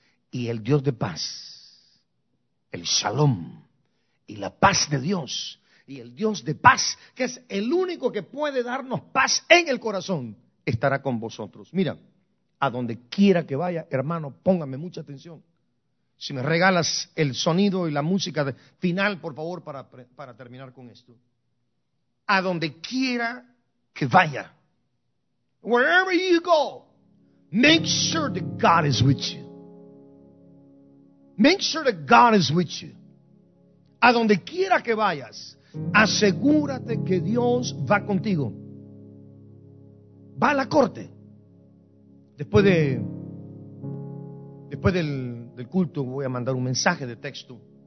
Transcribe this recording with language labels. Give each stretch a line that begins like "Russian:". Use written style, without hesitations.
Spanish: Y el Dios de paz, el Shalom y la paz de Dios, y el Dios de paz, que es el único que puede darnos paz en el corazón, estará con vosotros. Mira, a donde quiera que vaya, hermano, póngame mucha atención. Si me regalas el sonido y la música final, por favor, para terminar con esto. A donde quiera que vaya,
English: wherever you go, make sure that God is with you. Make sure that God is with you.
Spanish: A donde quiera que vayas, asegúrate que Dios va contigo. Va a la corte. Después del culto voy a mandar un mensaje de texto.